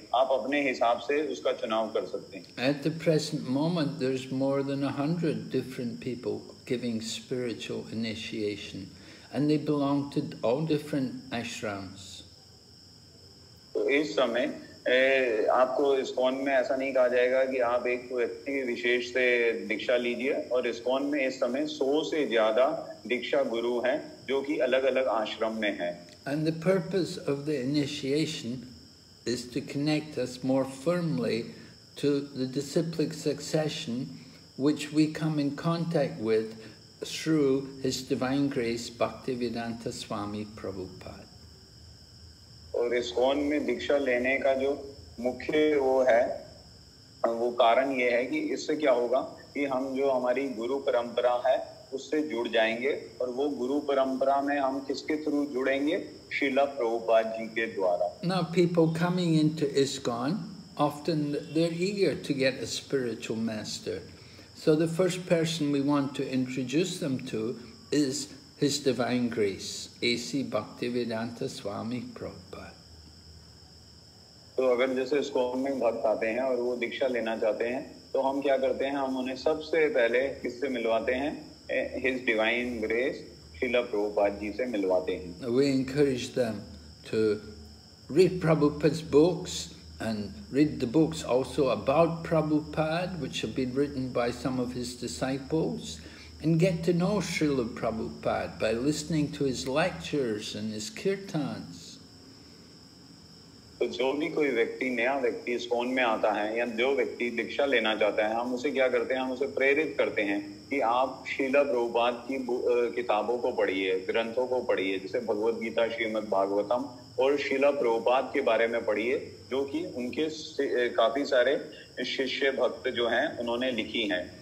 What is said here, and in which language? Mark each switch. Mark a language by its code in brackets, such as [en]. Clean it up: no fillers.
[hi] आप अपने हिसाब से उसका चुनाव कर सकते हैं. [en] At the present moment, there's more than 100 different people giving spiritual initiation, and they belong to all different ashrams. [hi] इस समय आपको इस्कॉन में ऐसा नहीं कहा जाएगा कि आप एक व्यक्ति विशेष से दीक्षा लीजिए और इस्कॉन में इस समय 100 से ज्यादा दीक्षा गुरु हैं जो कि अलग-अलग आश्रम में हैं. [en] And the purpose of the initiation is to connect us more firmly to the disciplic succession which we come in contact with through His Divine Grace Bhaktivedanta Swami Prabhupada. [hi] और इस्कॉन में दीक्षा लेने का जो मुख्य वो है वो कारण ये है कि इससे क्या होगा कि हम जो हमारी गुरु परंपरा है उससे जुड़ जाएंगे और वो गुरु परंपरा में हम किसके थ्रू जुड़ेंगे श्रील प्रभुपाद जी के द्वारा. [en] Now people coming into ISKCON often they're eager to get a spiritual master, so the first person we want to introduce them to is His Divine Grace, A.C. Bhaktivedanta Swami Prabhupada. [hi] So, अगर जैसे स्कॉन में भक्त आते हैं और वो दीक्षा लेना चाहते हैं, तो हम क्या करते हैं? हम उन्हें सबसे पहले किससे मिलवाते हैं? His Divine Grace, Srila Prabhupada जी से मिलवाते हैं. [en] We encourage them to read Prabhupada's books and read the books also about Prabhupada, which have been written by some of his disciples. And get to know Srila Prabhupada by listening to his lectures and his kirtans. [hi] So, जो भी कोई व्यक्ति नया व्यक्ति इस कौन में आता है या जो व्यक्ति दीक्षा लेना चाहता है, हम उसे क्या करते हैं? हम उसे प्रेरित करते हैं कि आप श्रीला प्रभुपाद की किताबों को पढ़िए, ग्रंथों को पढ़िए, जैसे भगवत गीता, श्रीमद् भागवतम और श्रीला प्रभुपाद के बारे में पढ़िए, जो कि उनके काफी सारे शिष्य भक्त जो हैं, उन्होंने लिखी हैं.